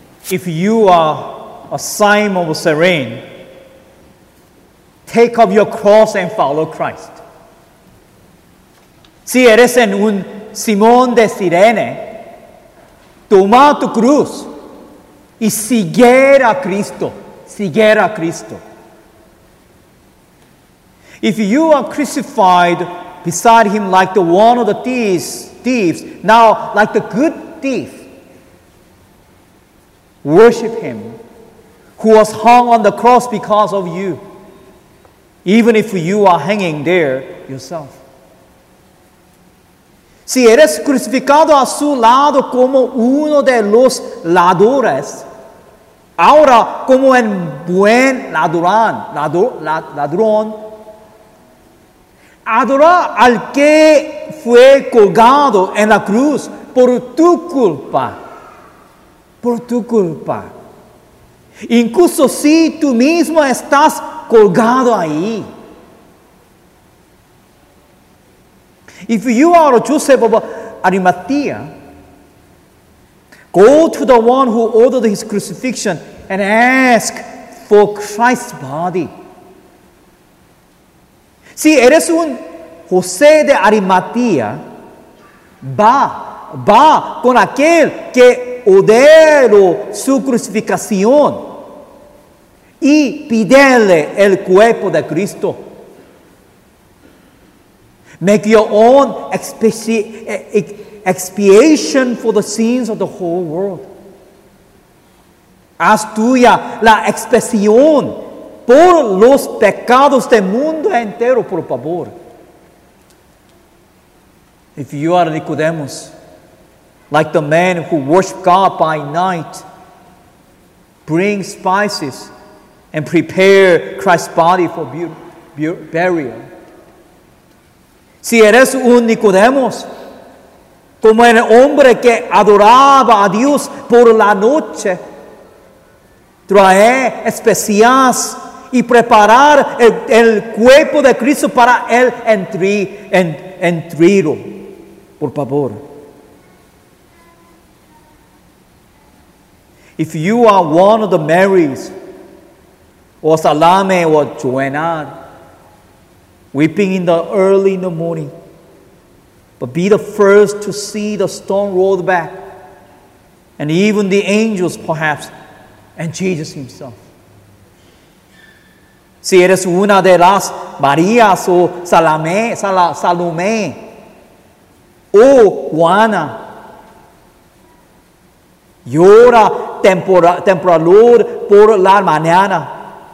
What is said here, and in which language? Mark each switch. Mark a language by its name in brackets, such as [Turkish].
[English] If you are a Simon of Cyrene, take up your cross and follow Christ. [Spanish] Si eres en un Simón de Cirene, toma tu cruz y sigue a Cristo. Sigue a Cristo. [English] If you are crucified beside him like the one of the thieves, now like the good thief, worship him who was hung on the cross because of you, even if you are hanging there yourself. [Spanish] Si eres crucificado a su lado como uno de los ladrones, ahora como un buen ladrón, adora al que fue colgado en la cruz por tu culpa. Por tu culpa. Incluso si tú mismo estás colgado ahí. [English] If you are Joseph of Arimathea, go to the one who ordered his crucifixion and ask for Christ's body. [Spanish] Si eres un José de Arimatía, va con aquel que ordenó su crucificación y pídele el cuerpo de Cristo. [English] Make your own expiation for the sins of the whole world. [Spanish] Haz tuya la expiación por los pecados del mundo entero, por favor. [English] If you are Nicodemus, like the man who worshiped God by night, bring spices and prepare Christ's body for burial. [Spanish] Si eres un Nicodemus, como el hombre que adoraba a Dios por la noche, trae especias y preparar el cuerpo de Cristo para el entierro, por favor. [English] If you are one of the Marys, or Salome, or Joanna, weeping in the early in the morning, but be the first to see the stone rolled back, and even the angels, perhaps, and Jesus himself. [Spanish] Si eres una de las Marías o Salomé o Juana, llora temprano por la mañana.